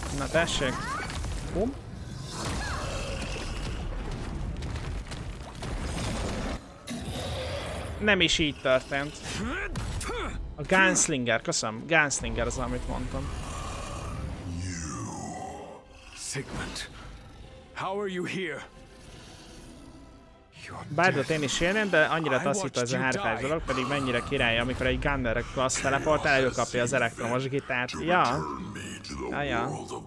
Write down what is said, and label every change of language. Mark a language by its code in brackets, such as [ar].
[hu] Tessék! Bum! Nem is így történt. A Gunslinger, köszönöm. Gunslinger az, amit mondtam. [en] Sigmund, how are you here? [hu] Bárdot én is élném, de annyira taszító ez a hardfire dolog, pedig mennyire király, amikor egy Gunner class teleport előkapja az elektromos gitárt. Ja. Ja.